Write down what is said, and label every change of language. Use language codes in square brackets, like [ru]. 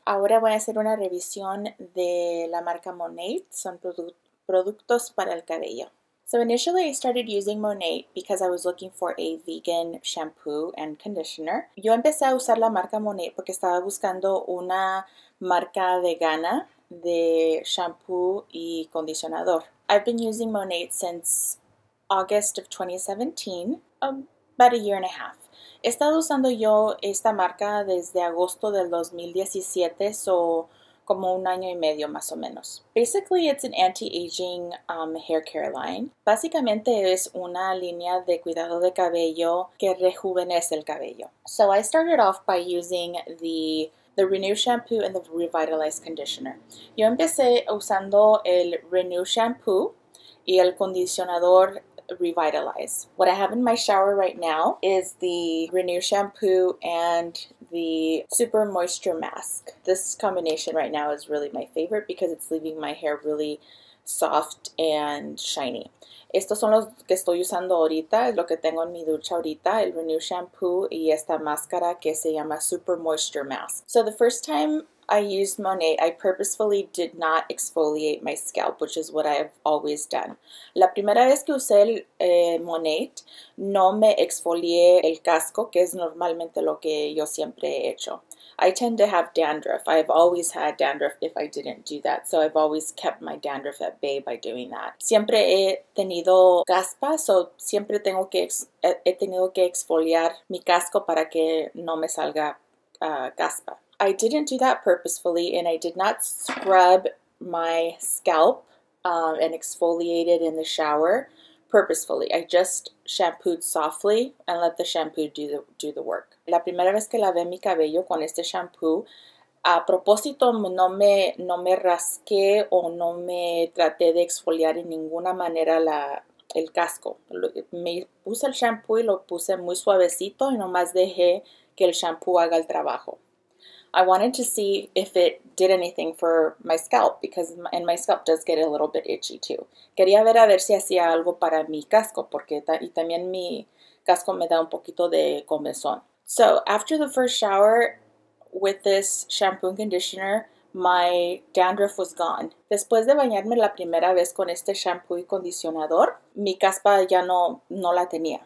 [es] Ahora voy a hacer una revisión de la marca Monat. Son productos para el cabello. [en] So initially I started using Monat because I was looking for a vegan shampoo and conditioner. [es] Yo empecé a usar la marca Monat porque estaba buscando una marca vegana de shampoo y condicionador. [en] I've been using Monat since August of 2017, about a year and a half. [es] He estado usando yo esta marca desde agosto del 2017, so como un año y medio más o menos. [en] Basically, it's an anti-aging hair care line. [es] Básicamente es una línea de cuidado de cabello que rejuvenece el cabello. [en] So I started off by using the Renew Shampoo and the Revitalized Conditioner. [es] Yo empecé usando el Renew Shampoo y el condicionador Revitalize. [en] What I have in my shower right now is the Renew Shampoo and the Super Moisture Mask. This combination right now is really my favorite because it's leaving my hair really soft and shiny. [es] Estos son los que estoy usando ahorita, es lo que tengo en mi ducha ahorita, el Renew Shampoo y esta máscara que se llama Super Moisture Mask. [en] So the first time I used Monat, I purposefully did not exfoliate my scalp, which is what I've always done. [es] La primera vez que usé el Monat, no me exfolié el casco, que es normalmente lo que yo siempre he hecho. [en] I tend to have dandruff. I've always had dandruff if I didn't do that. So I've always kept my dandruff at bay by doing that. [es] Siempre he tenido caspa, so siempre tengo que he tenido que exfoliar mi casco para que no me salga caspa. [en] I didn't do that purposefully, and I did not scrub my scalp and exfoliate it in the shower purposefully. I just shampooed softly and let the shampoo do the work. [es] La primera vez que lavé mi cabello con este shampoo, a propósito no me rasqué o no me traté de exfoliar en ninguna manera el casco. Me puse el shampoo y lo puse muy suavecito y nomás dejé que el shampoo haga el trabajo. [en] I wanted to see if it did anything for my scalp because my scalp does get a little bit itchy too. [es] Quería ver a ver si hacía algo para mi casco porque y también mi casco me da un poquito de comezón. [en] So after the first shower with this shampoo and conditioner, my dandruff was gone. [es] Después de bañarme la primera vez con este shampoo y condicionador, mi caspa ya no la tenía.